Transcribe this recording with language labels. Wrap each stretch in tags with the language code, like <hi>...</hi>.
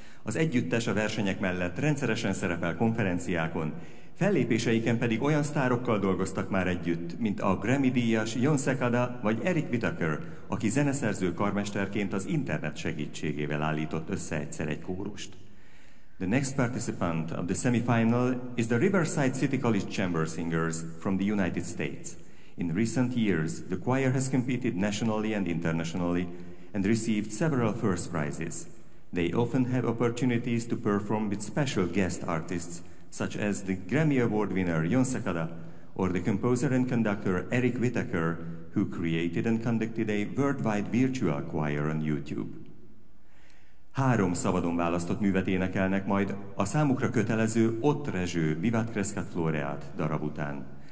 <hu>Az együttes a versenyek mellett rendszeresen szerepel konferenciákon, fellépéseiken pedig olyan sztárokkal dolgoztak már együtt, mint a Grammy-díjas John Secada vagy Eric Whitaker, aki zeneszerző karmesterként az internet segítségével állított össze egyszer egy kórust.</hu> <en>The next participant of the semifinal is the Riverside City College Chamber Singers from the United States. In recent years, the choir has competed nationally and internationally and received several first prizes. They often have opportunities to perform with special guest artists, such as the Grammy Award winner John Secada or the composer and conductor Eric Whitaker, who created and conducted a worldwide virtual choir on YouTube.</en> <hu>Három szabadon választott művet énekelnek majd a számukra kötelező Ott Rezső Vivat Crescat Floreat darab után.</hu>